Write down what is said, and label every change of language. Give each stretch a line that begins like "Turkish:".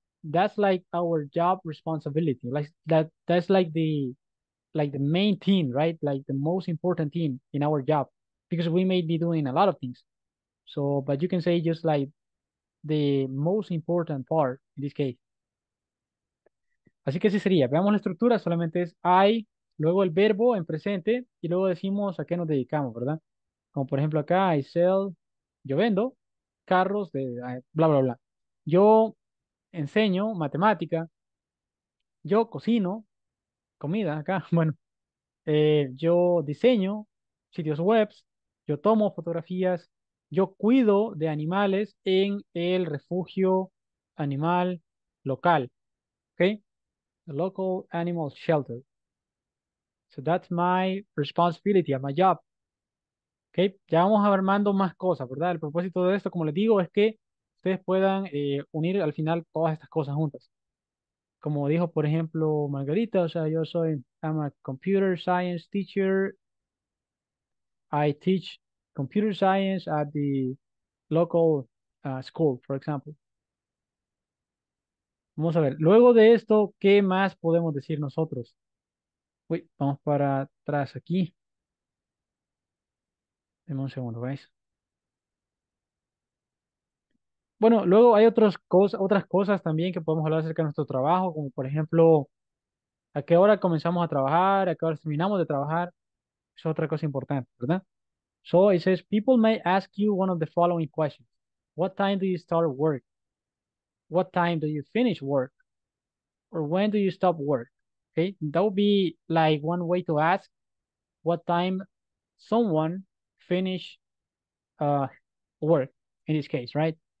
English: That's like our job responsibility. Like that. That's like the main thing, right? Like the most important thing in our job, because we may be doing a lot of things. So, but you can say just like the most important part in this case.
Spanish: Así que así sería. Veamos la estructura. Solamente es I, luego el verbo en presente, y luego decimos a qué nos dedicamos, ¿verdad? Como por ejemplo acá,
English: I sell,
Spanish: yo vendo, carros, de bla, bla, bla. Yo enseño matemática, yo cocino comida acá, bueno, yo diseño sitios webs, yo tomo fotografías, yo cuido de animales en el refugio animal local, ¿ok?
English: The local animal shelter. So that's my responsibility, my job.
Spanish: Okay, ya vamos armando más cosas, ¿verdad? El propósito de esto, como les digo, es que ustedes puedan unir al final todas estas cosas juntas. Como dijo, por ejemplo, Margarita, o sea, yo soy,
English: I'm a computer science teacher. I teach computer science at the local school, for example.
Spanish: Vamos a ver, luego de esto, ¿qué más podemos decir nosotros? Uy, vamos para atrás aquí. Deme un segundo, ¿veis? Bueno, luego hay otras cosas también que podemos hablar acerca de nuestro trabajo, como por ejemplo, ¿a qué hora comenzamos a trabajar? ¿A qué hora terminamos de trabajar? Es otra cosa importante, ¿verdad?
English: So it says, people may ask you one of the following questions. What time do you start work? What time do you finish work? Or when do you stop work? Okay, that would be like one way to ask what time someone finish work in this case, right?